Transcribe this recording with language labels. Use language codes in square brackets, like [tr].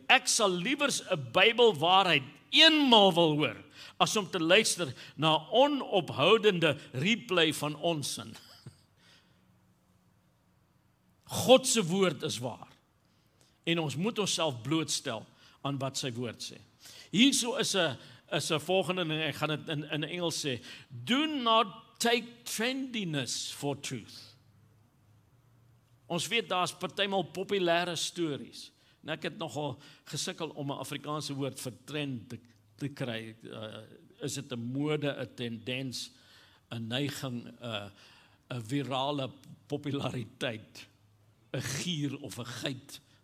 [af] Ek sal liewers 'n Bybelwaarheid eenmaal wil hoor, as om te luister na onophoudende replay van onsin. God se woord is waar. En ons moet onsself blootstel aan wat sy woord sê. Hierso is 'n volgende ding, ek gaan dit in Engels sê. [en] Do not take trendiness for truth. [af] Ons weet daar's partymal populêre stories. En ek het nogal gesukkel om 'n Afrikaanse woord vir trend te kry. Is dit 'n mode, 'n tendens, 'n neiging, 'n virale populariteit, 'n gier of 'n geit?